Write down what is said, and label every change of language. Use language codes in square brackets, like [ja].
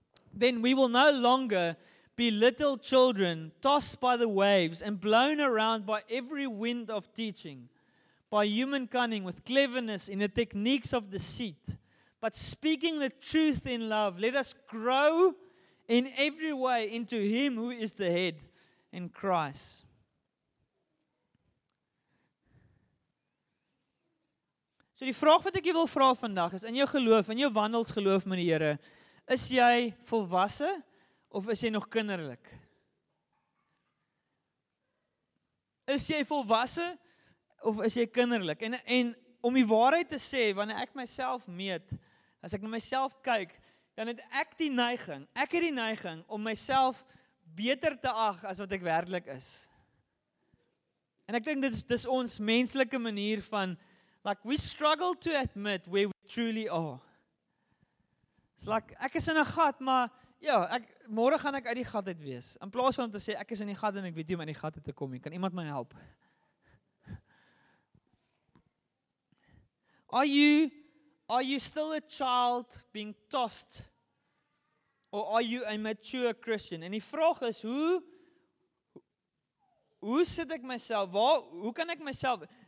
[en] Then we will no longer be little children tossed by the waves and blown around by every wind of teaching, by human cunning with cleverness in the techniques of deceit. But speaking the truth in love, let us grow in every way into Him who is the head, in Christ. [af] So die vraag wat ek jy wil vraag vandag is, in jou geloof, in jou wandelsgeloof met die Here, is jy volwassen of is jy nog kinderlik? Is jy volwassen of is jy kinderlik? En om die waarheid te sê, wanneer ek myself meet, as ek na myself kyk, dan het ek die neiging, ek het die neiging om myself beter te ag as wat ek werklik is. En ek dink dit is ons menslike manier van, [en] like, we struggle to admit where we truly are. It's like, [af] ek is in 'n gat, maar, ja, morgen gaan ek uit die gat uit wees. In plaas van om te sê, ek is in die gat en ek weet nie om uit die gat uit te kom, kan iemand my help? [en] Are you still a child being tossed? Or are you a mature Christian? [af] En die vraag is, hoe sit ek myself? Hoe kan ek myself?